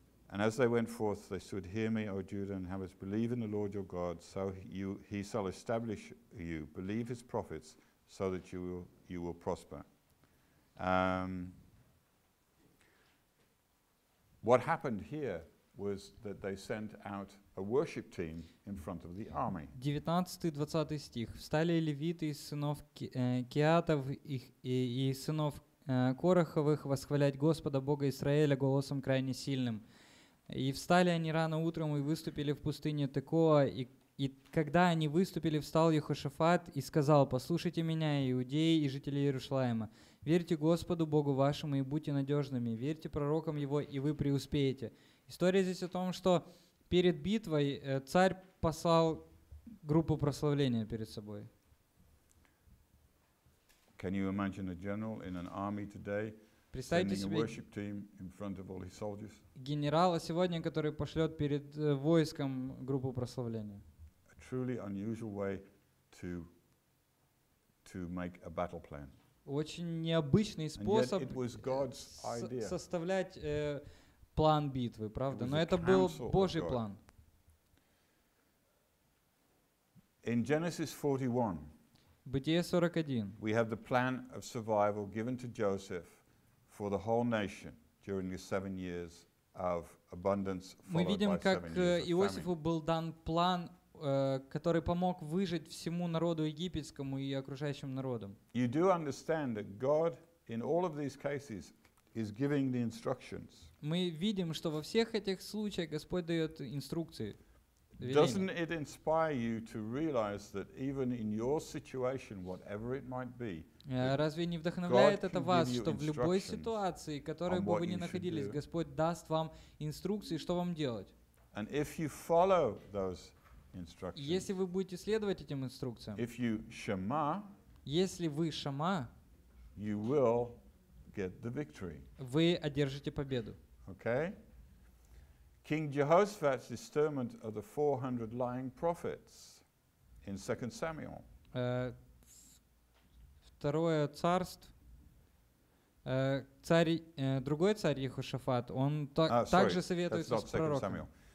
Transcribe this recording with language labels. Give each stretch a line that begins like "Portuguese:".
English: And as they went forth, they stood, "Hear me, O Judah and Hamath, believe in the Lord your God, so he shall establish you. Believe his prophets, so that you will prosper." What happened here was that they sent out a worship team in front of the army.
Russian: 19-20 стих. Встали левиты из сынов Кеатов и сынов Кораховых восхвалять Господа Бога Израиля голосом крайне сильным. И встали они рано утром и выступили в пустыне Текоа. И когда они выступили, встал Йехошафат и сказал: «Послушайте меня, иудеи и жители Иерусалима. Верьте Господу Богу вашему и будьте надежными. Верьте пророкам Его, и вы преуспеете». История здесь о том, что перед битвой царь послал группу прославления перед собой.
English: Can you imagine a general in an army today sending a worship team in front of all his soldiers?
Russian: Генерала сегодня, который пошлет перед войском группу прославления.
English: A truly unusual way to make a battle plan.
Russian: Очень необычный способ составлять план битвы, правда? Но это был Божий план.
English: In Genesis 41,
Russian: Бытие 41,
English: we have the plan of survival given to Joseph for the whole nation during the 7 years of abundance, followed of famine.
Russian: Мы видим, как Иосифу был дан план, который помог выжить всему народу египетскому и окружающим народам.
English: You do understand that God in all of these cases is giving the instructions.
Russian: Мы видим, что во всех этих случаях Господь дает инструкции.
English: Doesn't it inspire you to realize that even in your situation, whatever it might be,
Russian: разве не вдохновляет это вас, что в любой ситуации, в которой бы вы ни находились, Господь даст вам инструкции, что вам делать?
English: And if you follow those instructions.
Russian: Если вы будете следовать этим инструкциям,
English: if you shema,
Russian: если вы шама,
English: you will get the victory.
Russian: Вы одержите победу.
English: Okay. King Jehoshaphat's disturbment of the 400 lying prophets in 2 Samuel.
Russian: Второе царство. Царь, другой царь Йехошафат, он также советует с пророком.